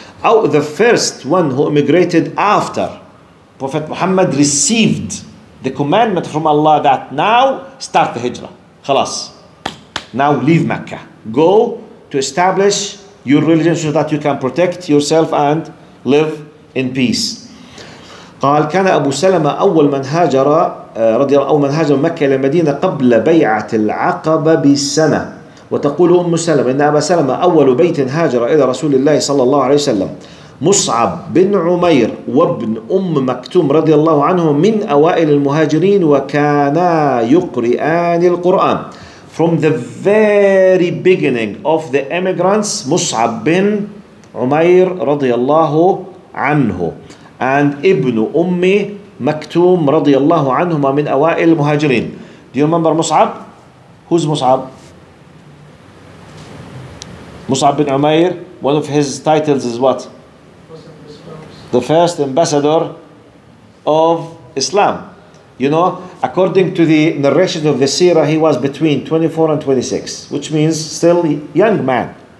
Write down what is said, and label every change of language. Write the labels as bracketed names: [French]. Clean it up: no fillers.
[English] Oh, the first one who immigrated after Prophet Muhammad received the commandment from Allah that now start the hijrah. Khalas. Now leave Mecca. Go to establish your religion so that you can protect yourself and live in peace. [Arabic] قال كان أبو سلمة أول من هاجر رضي الله عنه من هاجر مكة إلى المدينة قبل بيعة العقبة بسنة. وتقول أم سلمة إن أبا سلمة أول بيت هاجر إلى رسول الله صلى الله عليه وسلم مصعب بن عمير وابن أم مكتوم رضي الله عنهم من أوائل المهاجرين وكانا يقرئان القرآن. [English] From the very beginning of the immigrants, [Arabic] مصعب بن عمير رضي الله عنه and ابن أم مكتوم رضي الله عنهما من أوائل المهاجرين. [English] Do you remember مصعب? Who's مصعب? Mus'ab bin Umair, one of his titles is what? The first ambassador of Islam. You know, according to the narration of the Seerah, he was between 24 and 26, which means still a young man.